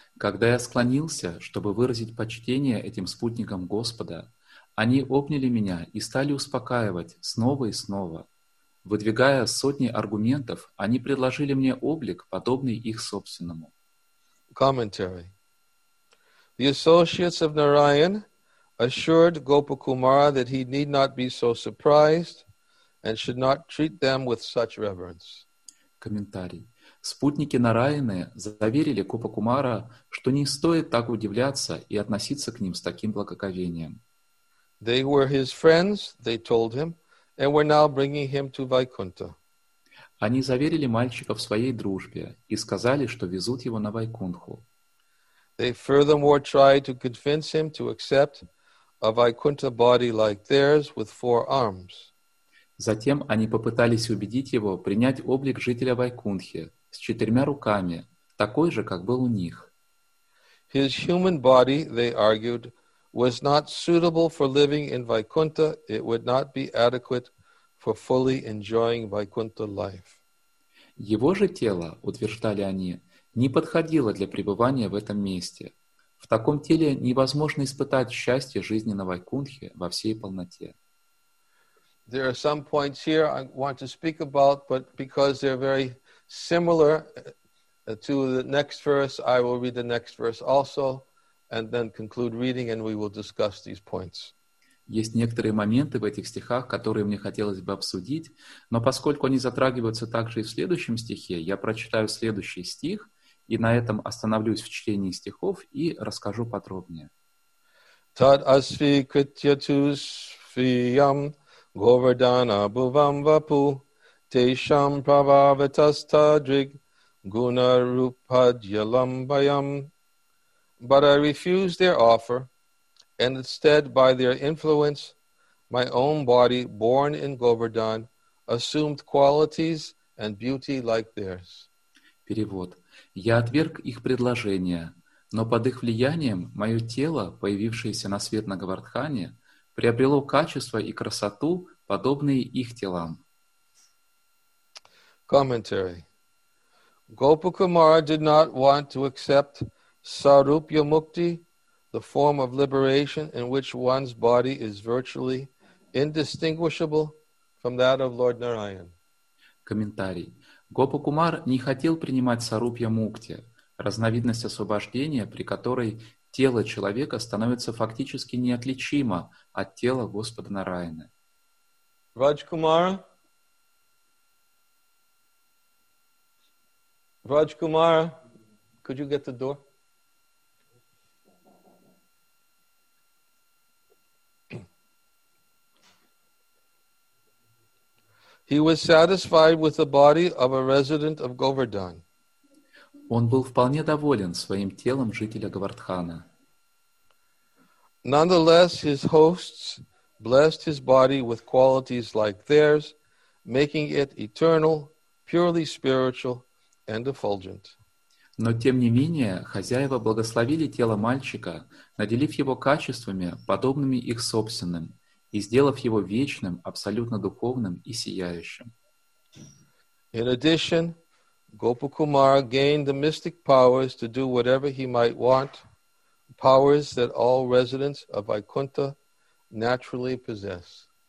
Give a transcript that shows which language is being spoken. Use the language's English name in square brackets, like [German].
[Russian] Когда я склонился, чтобы выразить почтение этим спутникам Господа, они обняли меня и стали успокаивать снова и снова. Выдвигая сотни аргументов, они предложили мне облик, подобный их собственному. [English] Commentary. The associates of Narayan assured Gopakumara that he need not be so surprised and should not treat them with such reverence. [Russian] Комментарий. Спутники Нараяны заверили Гопакумара, что не стоит так удивляться и относиться к ним с таким благоговением. [English] They were his friends, they told him, and were now bringing him to Vaikuntha. [Russian] Они заверили мальчика в своей дружбе и сказали, что везут его на Вайкунтху. [English] They furthermore tried to convince him to accept a Vaikuntha body like theirs with four arms. [Russian] Затем они попытались убедить его принять облик жителя Вайкунтхи с четырьмя руками, такой же, как был у них. [English] His human body, they argued, was not suitable for living in Vaikuntha. It would not be adequate for fully enjoying Vaikuntha life. [Russian] Его же тело, утверждали они, не подходило для пребывания в этом месте. В таком теле невозможно испытать счастье жизни на Вайкунтхе во всей полноте. [English] There are some points here I want to speak about, but because they're very similar to the next verse, I will read the next verse also, and then conclude reading, and we will discuss these points. [Russian] Есть некоторые моменты в этих стихах, которые мне хотелось бы обсудить, но поскольку они затрагиваются также и в следующем стихе, я прочитаю следующий стих, и на этом остановлюсь в чтении стихов и расскажу подробнее. [Sanskrit] Тад асви критья тусфиям говардана бувам вапу тешам прававитаста дриг гуна рупадьялам байам. [English] But I refuse their offer, and instead, by their influence, my own body, born in Govardhan, assumed qualities and beauty like theirs. [Russian] Перевод. Я отверг их предложение, но под их влиянием мое тело, появившееся на свет на Говардхане, приобрело качество и красоту, подобные их телам. [English] Commentary. Gopakumara did not want to accept Sarupya Mukti, the form of liberation in which one's body is virtually indistinguishable from that of Lord Narayan. [Russian] Комментарий. Гопакумар не хотел принимать Сарупья Мукти, разновидность освобождения, при которой тело человека становится фактически неотличимо от тела Господа Нараяны. [English] Раджкумара? Раджкумара, could you get the door? He was satisfied with the body of a resident of Govardhan. [Russian] Он был вполне доволен своим телом жителя Говардхана. [English] Nonetheless, his hosts blessed his body with qualities like theirs, making it eternal, purely spiritual, and effulgent. [Russian] Но тем не менее, хозяева благословили тело мальчика, наделив его качествами, подобными их собственным, и сделав его вечным, абсолютно духовным и сияющим. [English] In addition, Gopakumara gained the mystic powers to do whatever he might want, powers that all residents of Vaikuntha naturally possess.